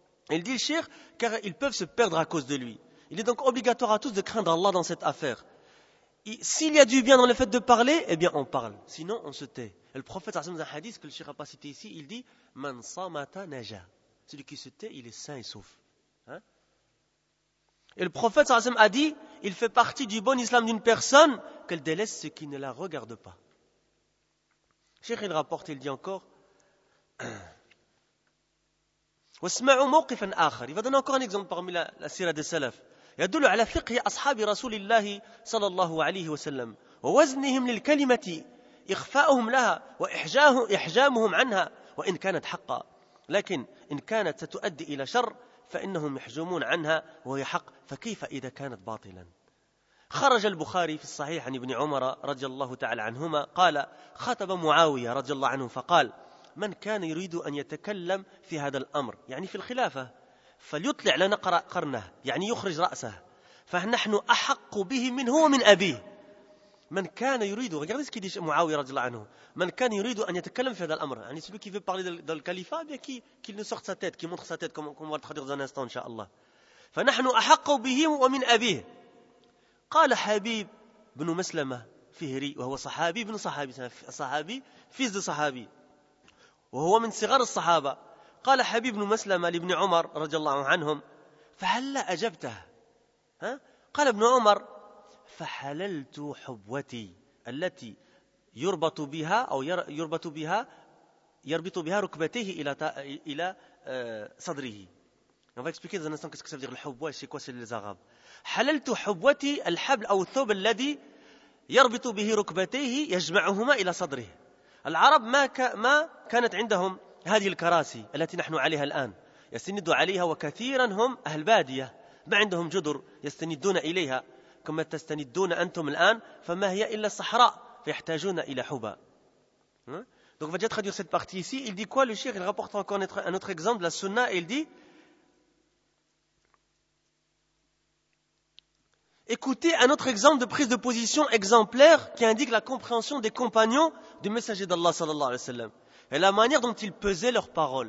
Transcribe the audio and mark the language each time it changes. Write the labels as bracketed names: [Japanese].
[French] Il dit le shir, car ils peuvent se perdre à cause de lui. Il est donc obligatoire à tous de craindre Allah dans cette affaire. S'il y a du bien dans le fait de parler, eh bien on parle. Sinon, on se tait. Et le prophète, dans un hadith que le shir n'a pas cité ici, il dit, « [Arabic] Man samata naja. [French] » Celui qui se tait, il est sain et sauf. Et le prophète a dit, « Il fait partie du bon islam d'une personne qu'elle délaisse ce qui ne la regarde pas. » Shir, il rapporte, il dit encore, « [Arabic] واسمعوا موقفا اخر فدنا [French] encore un exemple parmi la sira des salaf [Arabic] يدل على فقه اصحاب رسول الله صلى الله عليه وسلم ووزنهم للكلمه اخفاؤهم لها واحجامهم عنها وان كانت حقا لكن ان كانت ستؤدي الى شر فانهم يحجمون عنها وهي حق فكيف اذا كانت باطلا. خرج البخاري في الصحيح عن ابن عمر رضي الله تعالى عنهما قال: خطب معاوية رضي الله عنه فقال: من كان يريد أن يتكلم في هذا الأمر، يعني في الخلافة، فليطلع لنا قرنه، يعني يخرج رأسه، فنحن أحق به منه ومن أبيه. من كان يريد، [French] regardez ce qu'il dit [Arabic] معاوية رضي الله عنه، من كان يريد أن يتكلم في هذا الأمر، يعني [French] celui qui veut parler dans le califat, bien qu'il ne sorte sa tête, qu'il montre sa tête, comme on va le traduire dans un instant, inshallah. [Arabic] فنحن أحق به ومن أبيه. قال حبيب بن مسلمة فهري، وهو صحابي بن صحابي، صحابي فيز صحابي، وهو من صغار الصحابة. قال حبيب بن مسلمة لابن عمر رضي الله عنهم: فهلا أجبته؟ ها؟ قال ابن عمر: فحللت حبوتي التي يربط بها أو يربط بها يربط بها ركبتيه إلى صدره. [French] On va expliquer dans un instant qu'est-ce que ça veut dire le hubwa, c'est quoi, c'est les arabes. [Arabic] حللت حبوتي الحبل أو الثوب الذي يربط به ركبتيه يجمعهما إلى صدره. العرب ما كانت عندهم هذه الكراسي التي نحن عليها الآن يستند عليها، وكثيرا هم أهل بادية ما عندهم جدر يستندون إليها كما تستندون أنتم الآن، فما هي إلا الصحراء، فيحتاجون إلى حبا. [French] Donc va déjà traduire cette partie ici. Il dit quoi le cheikh? Il rapporte encore un autre exemple de la sunna. Il dit: écoutez un autre exemple de prise de position exemplaire qui indique la compréhension des compagnons du messager d'Allah sallallahu alayhi wa sallam et la manière dont ils pesaient leurs paroles.